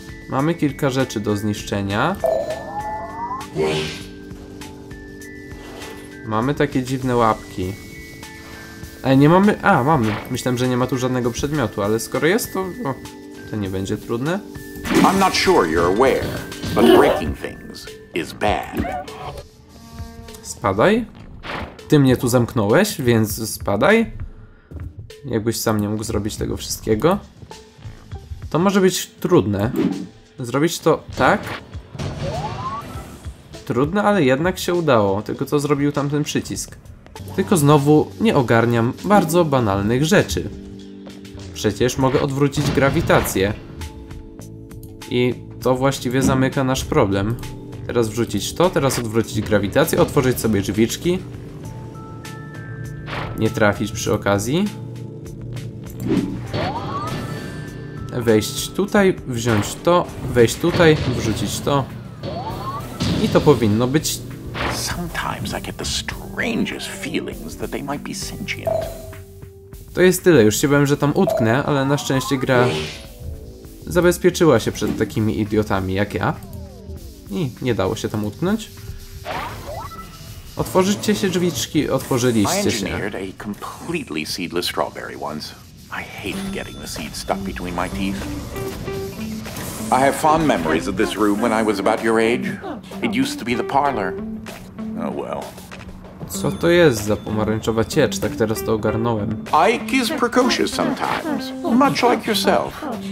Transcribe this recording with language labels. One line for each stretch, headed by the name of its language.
Polish: Mamy kilka rzeczy do zniszczenia. Mamy takie dziwne łapki. Nie mamy... mamy. Myślałem, że nie ma tu żadnego przedmiotu, ale skoro jest, to... to nie będzie trudne.
English: I'm not sure you're aware, but breaking things is bad.
Polish: Spadaj. Ty mnie tu zamknąłeś, więc spadaj. Jakbyś sam nie mógł zrobić tego wszystkiego. To może być trudne. Zrobić to tak. Trudne, ale jednak się udało. Tylko co zrobił tamten przycisk? Tylko znowu nie ogarniam bardzo banalnych rzeczy. Przecież mogę odwrócić grawitację. I to właściwie zamyka nasz problem. Teraz wrzucić to, teraz odwrócić grawitację, otworzyć sobie drzwiczki. Nie trafić przy okazji. Wejść tutaj, wziąć to, wejść tutaj, wrzucić to. I to powinno być.
English: Sometimes I get the strangest feelings that they might be sentient.
Polish: To jest tyle, już się bałem, że tam utknę, ale na szczęście gra zabezpieczyła się przed takimi idiotami jak ja. I nie dało się tam utknąć. Otworzycie się drzwiczki, otworzyliście się.
English: I engineered a completely seedless strawberry once. I hated getting the seeds stuck between my teeth. I have fond memories of this room when I was about your age. It used to be the parlor. Oh well.
Polish: Co to jest za pomarańczowa ciecz? Tak teraz to ogarnąłem.
English: Ike is precocious sometimes, much like yourself.